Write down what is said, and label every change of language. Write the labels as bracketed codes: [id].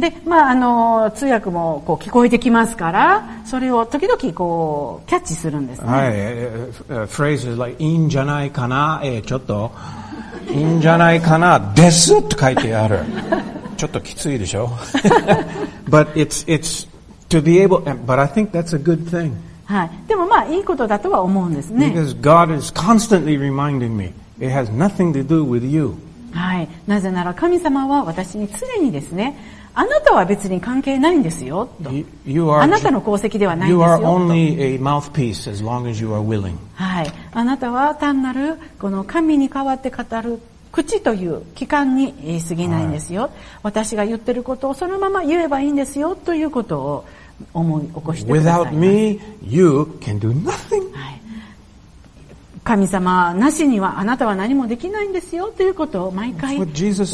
[ja] で、まあ通訳もこう聞こえてきますから、それを時々こうキャッチするんですね。はい。 [en] Phrases like, [ja] いいんじゃないかな、ちょっと。いいんじゃないかな、ですって書いてある。ちょっときついでしょ。 [en] But it's to be able, but I think that's a good thing. [ja] はい。でもまあいいことだとは思うんですね。 [en] Because God is constantly reminding me, it has nothing to do with you. [ja] はい。なぜなら神様は私に常にですね、あなたは別に関係ないんですよ、と。あなたの功績ではないんですよ。 [en] You are only a mouthpiece as long as you are willing. [ja] はい。あなたは単なる、この神に代わって語る口という器官に過ぎないんですよ、はい、私が言ってることをそのまま言えばいいんですよということを思い起こしてください。 [en] Without me, you can do nothing.、 [ja] はい、神様なしにはあなたは何もできないんですよということを毎回教えていただきます。